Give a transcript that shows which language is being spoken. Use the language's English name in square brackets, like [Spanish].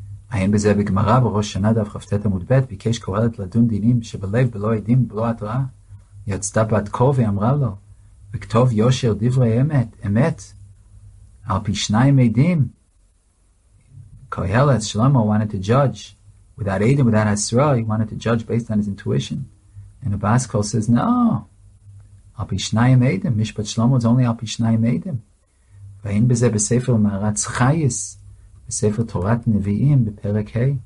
[Hebrew] האם בזה בגמרא בראש שנה דף כ"ט עמוד ב' ביקש קהלת לדון דינים שבלב בלא עדים בלא התראה? יצתה בת קור ואמרה לו, וכתוב יושר דברי אמת, אמת, על פי שניים עדים. [English] קהלת שלמה wanted to judge without Edim, without Hasra, he wanted to judge based on his intuition. And the Bas Kol says, no, [Hebrew] על פי שניים עדים, [English] משפט שלמה is only על פי שניים עדים. [Hebrew] והאם בזה בספר מערץ חייס, בספר תורת נביאים בפרק ה'.